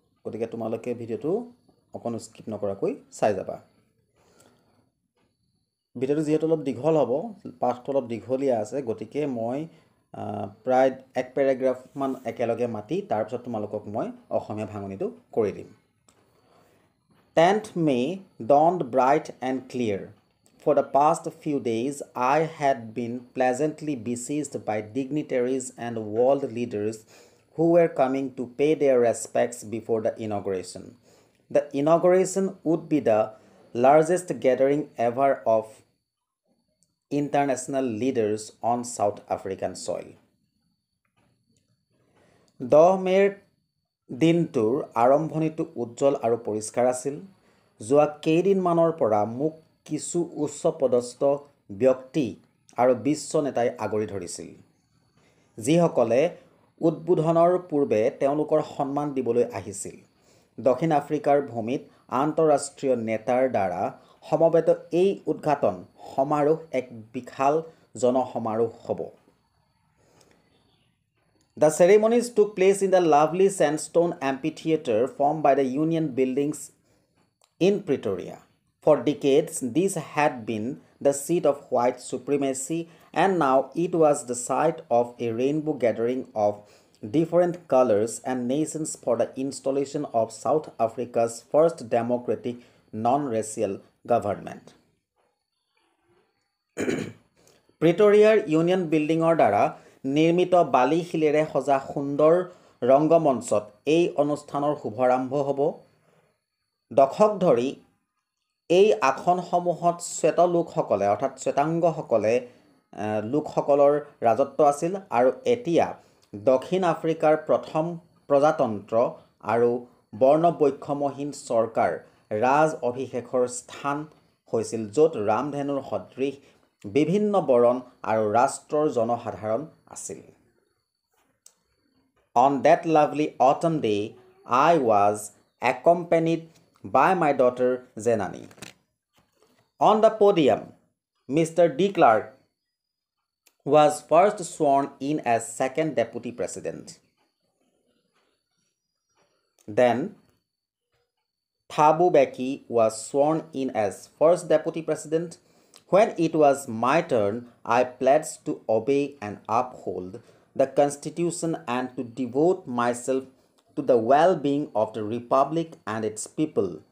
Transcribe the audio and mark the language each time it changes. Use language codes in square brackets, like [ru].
[as] গতিকে তোমালোকে ভিডিঅ'টো অকণো স্কিপ নকৰাকৈ চাই যাবা। ভিডিঅ'টো যিহেতু অলপ দীঘল হ'ব, পাঠটো অলপ দীঘলীয়া আছে, গতিকে মই প্ৰায় এক পেৰাগ্ৰাফমান একেলগে মাতি তাৰপিছত তোমালোকক মই অসমীয়া ভাঙনিটো কৰি দিম। [en] 10th May dawned bright and clear. For the past few days, I had been pleasantly besieged by dignitaries and world leaders who were coming to pay their respects before the inauguration. The inauguration would be the largest gathering ever of international leaders on South African soil. [as] 10 May দিনটোৰ আৰম্ভণিটো উজ্জ্বল আৰু পৰিষ্কাৰ আছিল। যোৱা কেইদিনমানৰ পৰা মোক কিছু উচ্চপদস্থ ব্যক্তি আৰু বিশ্ব নেতাই আগুৰি ধৰিছিল, যিসকলে উদ্বোধনৰ পূৰ্বে তেওঁলোকৰ সন্মান দিবলৈ আহিছিল। দক্ষিণ আফ্ৰিকাৰ ভূমিত আন্তঃৰাষ্ট্ৰীয় নেতাৰ দ্বাৰা সমবেত এই উদঘাটন সমাৰোহ এক বিশাল জনসমাৰোহ হ'ব। [en] The ceremonies took place in the lovely sandstone amphitheater formed by the Union Buildings in Pretoria. For decades, this had been the seat of white supremacy, and now it was the site of a rainbow gathering of different colors and nations for the installation of South Africa's first democratic non-racial government. [as] Pretoria Union Building or Dara নিৰ্মিত বালিশিলেৰে সজা সুন্দৰ ৰংগমঞ্চত এই অনুষ্ঠানৰ শুভাৰম্ভ হ'ব। দশক ধৰি এই আসনসমূহত শ্বেত লোকসকলে, অৰ্থাৎ শ্বেতাংগসকলে লোকসকলৰ ৰাজত্ব আছিল, আৰু এতিয়া দক্ষিণ আফ্ৰিকাৰ প্ৰথম প্ৰজাতন্ত্ৰ আৰু বৰ্ণবৈষম্যহীন চৰকাৰ ৰাজ অভিষেকৰ স্থান হৈছিল, য'ত ৰামধেনুৰ সদৃশ বিভিন্ন বৰণ আৰু ৰাষ্ট্ৰৰ জনসাধাৰণ আছিল। [en] On that lovely autumn day I was accompanied by my daughter Janani. On the podium mister D Clark was first sworn in as second deputy president. Then Thabo Mbeki was sworn in as first deputy president. When it was my turn, I pledged to obey and uphold the Constitution and to devote myself to the well-being of the Republic and its people.